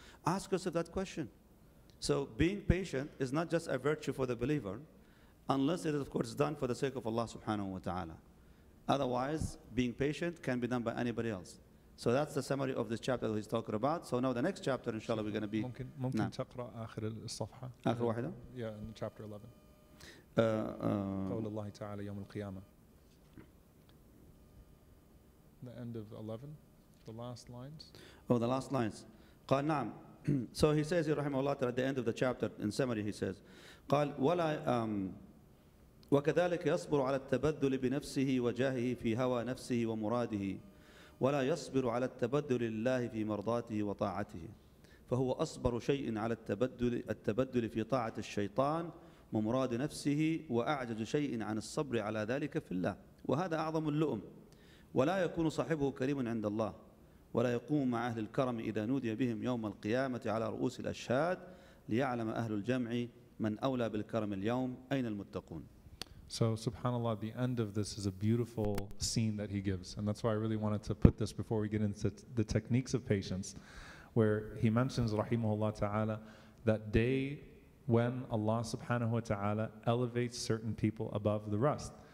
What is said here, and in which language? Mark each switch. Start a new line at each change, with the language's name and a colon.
English: Ask yourself that question. So being patient is not just a virtue for the believer, unless it is, of course, done for the sake of Allah subhanahu wa ta'ala. Otherwise, being patient can be done by anybody else. So that's the summary of this chapter that he's talking about. So now the next chapter, inshallah, we're going to be...
Arabic: ممكن تقرأ آخر الصفحة. آخر واحدة؟
English: Yeah, in chapter 11.
Arabic: قول الله تعالى يوم القيامة.
English: The end of 11, the last lines. Oh, the last lines.
Arabic: قال نعم.
English: So he says, رحمه الله تعالى, at the end of the chapter, in summary, he says,
Arabic: قال ولا وكذلك يصبر على التبذل بنفسه وجاهه في هوى نفسه ومراده ولا يصبر على التبذل لله في مرضاته وطاعته. فهو أصبر شيء على التبدل في طاعة الشيطان ومراد نفسه وأعجز شيء عن الصبر على ذلك في الله، وهذا أعظم اللؤم. ولا يكون صاحبه كريما عند الله، ولا يقوم مع أهل الكرم إذا نودي بهم يوم القيامة على رؤوس الأشهاد ليعلم أهل الجمع من أولى بالكرم اليوم أين المتقون.
English: So subhanAllah, the end of this is a beautiful scene that he gives. And that's why I really wanted to put this before we get into the techniques of patience, where he mentions, rahimahullah ta'ala, that day when Allah subhanahu wa ta'ala elevates certain people above the rest.